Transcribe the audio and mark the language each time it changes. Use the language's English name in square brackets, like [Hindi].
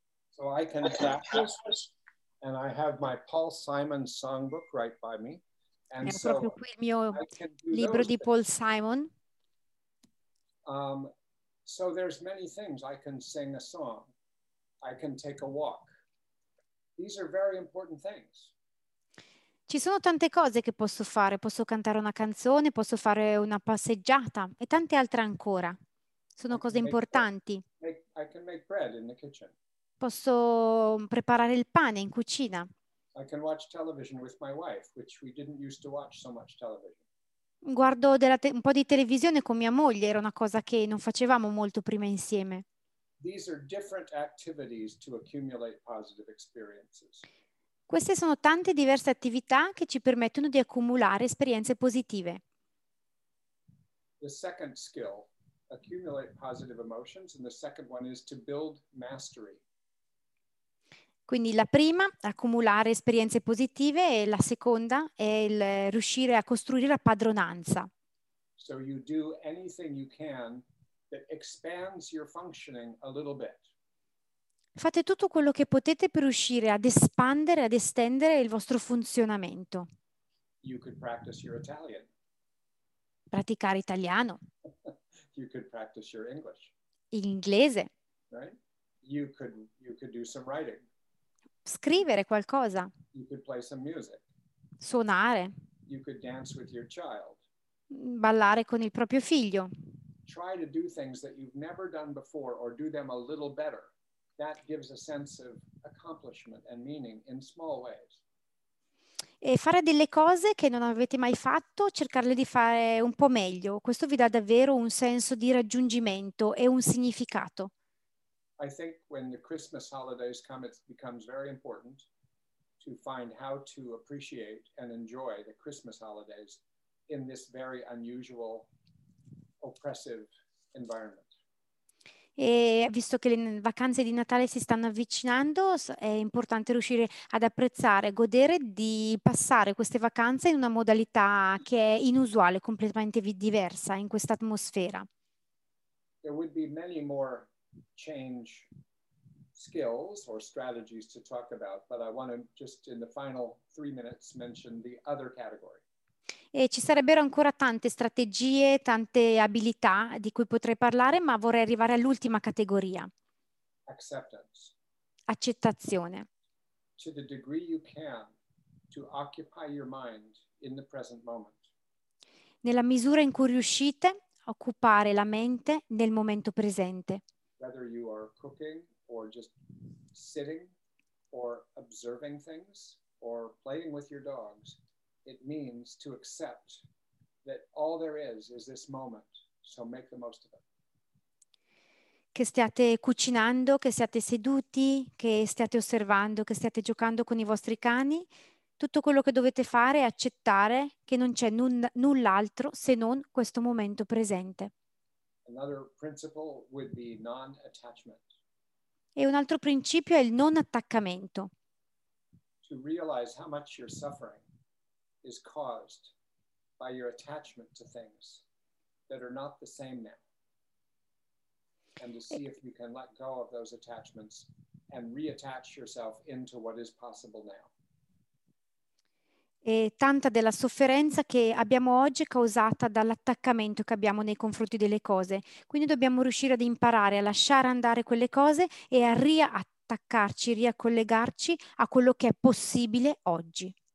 [English] So I can practice, and I have my Paul Simon songbook right by me. And [Italian] so proprio qui il mio libro di Paul Simon. [English] So there's many things. I can sing a song. I can take a walk. These are very important things. [Italian] Ci sono tante cose che posso fare. Posso cantare una canzone, posso fare una passeggiata e tante altre ancora. Sono cose importanti. [English] I can make bread in the kitchen. [Italian] Posso preparare il pane in cucina. [English] I can watch television with my wife, which we didn't used to watch so much television. [Italian] Guardo un po' di televisione con mia moglie, era una cosa che non facevamo molto prima insieme. [English] These are different activities to accumulate positive experiences. [Italian] Queste sono tante diverse attività che ci permettono di accumulare esperienze positive. [English] The second skill, accumulate positive emotions, and the second one is to build mastery. [Italian] Quindi la prima, accumulare esperienze positive, e la seconda è il riuscire a costruire la padronanza. [English] So you do anything you can that expands your functioning a little bit. [Italian] Fate tutto quello che potete per riuscire ad espandere, ad estendere il vostro funzionamento. [English] You could practice your Italian. [Italian] Praticare italiano. [English] You could practice your English. [Italian] Inglese. [English] Right? You could do some writing. [Italian] Scrivere qualcosa. [English] You could play some music. [Italian] Suonare. [English] You could dance with your child. [Italian] Ballare con il proprio figlio. [English] Try to do things that you've never done before or do them a little better. That gives a sense of accomplishment and meaning in small ways. [Italian] E fare delle cose che non avete mai fatto, cercarle di fare un po' meglio. Questo vi dà davvero un senso di raggiungimento e un significato. [English] I think when the Christmas holidays come, it becomes very important to find how to appreciate and enjoy the Christmas holidays in this very unusual, oppressive environment. [Italian] E visto che le vacanze di Natale si stanno avvicinando, è importante riuscire ad apprezzare, godere di passare queste vacanze in una modalità che è inusuale, completamente diversa in questa atmosfera. [English] There would be many more change skills or strategies to talk about, but I want to just in the final 3 minutes mention the other category. [Italian] E ci sarebbero ancora tante strategie, tante abilità di cui potrei parlare, ma vorrei arrivare all'ultima categoria. [English] Acceptance. [Italian] Accettazione. [English] To the degree you can, to occupy your mind in the present moment. [Italian] Nella misura in cui riuscite a occupare la mente nel momento presente. [English] Whether you are cooking or just sitting or observing things or playing with your dogs. It means to accept that all there is this moment, so make the most of it. [Italian] Che stiate cucinando, che siate seduti, che stiate osservando, che stiate giocando con I vostri cani, tutto quello che dovete fare è accettare che non c'è null'altro se non questo momento presente. [English] Another principle would be non-attachment. [Italian] E un altro principio è il non attaccamento. [English] To realize how much you're suffering is caused by your attachment to things that are not the same now. And to see if you can let go of those attachments and reattach yourself into what is possible now. [Italian] E tanta della sofferenza che abbiamo oggi è causata dall'attaccamento che abbiamo nei confronti delle cose. Quindi dobbiamo riuscire ad imparare a lasciare andare quelle cose e a riattaccarci, riacollegarci a quello che è possibile oggi.